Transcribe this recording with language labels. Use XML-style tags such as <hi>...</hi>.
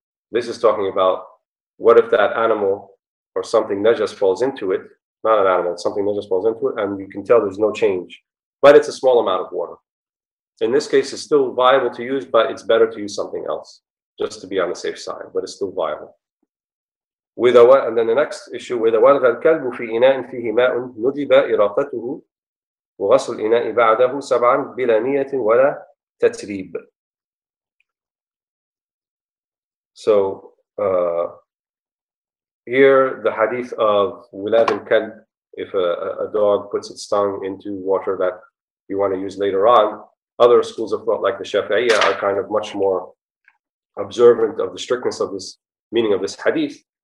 <en>This is talking about what if that animal or something najas falls into it, not an animal, something najas falls into it, and you can tell there's no change, but it's a small amount of water. In this case, it's still viable to use, but it's better to use something else, just to be on the safe side, but it's still viable. And then the next issue, with</en> <ar>وَلَغَ الْكَلْبُ فِي إِنَاءٍ فِيهِ مَاءٌ نُدِبَ إِرَاقَتُهُ وَغَسُ الْإِنَاءِ بَعْدَهُ سَبْعًا بِلَا نِيَةٍ وَلَا تَتْرِيبٍ.</ar> <en>So, here the hadith of وِلَغَ الْكَلْبُ, if a dog puts its tongue into water that you want to use later on, other schools of thought like the Shafi'iyya are kind of much more observant of the strictness of this meaning of this hadith.</en>